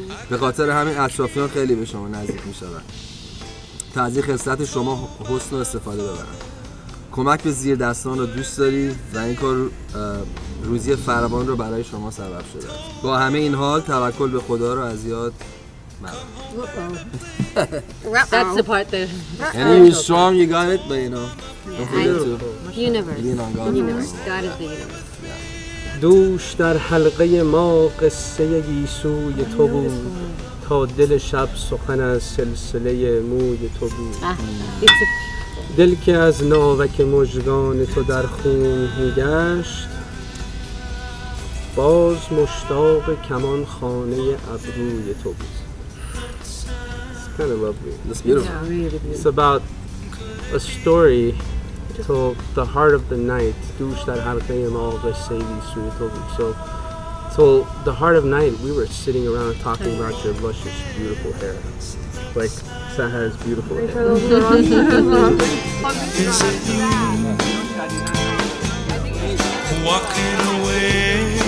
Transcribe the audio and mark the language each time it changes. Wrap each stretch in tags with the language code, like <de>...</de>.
<fa>به خاطر همین اطرافیان خیلی به شما نزدیک می شود. تا از این خصلت شما حسن و استفاده ببرن. کمک به زیر دستان رو دوست داری و این کار روزی فراوان رو برای شما سبب شده. با همه این حال توکل به خدا رو از یاد مبرم.</fa> <en>That's the part that... And you're strong, you got it, but you know. Don't forget to. Universe. Lean on God. Universe. God is the universe.</en> <fa>دوش در حلقه ما قصه گیسوی تو بود، تا دل شب سخن از سلسله موی تو بود. دل که از ناوک مژگان تو در خون میگشت، باز مشتاق کمان خانه ابروی تو بود.</fa> <en>It's about a story to the heart of the night.</en> <fa>دوش در حلقه ما قصه گیسوی تو بود.</fa> <en>So the heart of night, we were sitting around talking about your luscious, beautiful hair. Like, Sahar's beautiful hair. Is it you? Walking away?</en>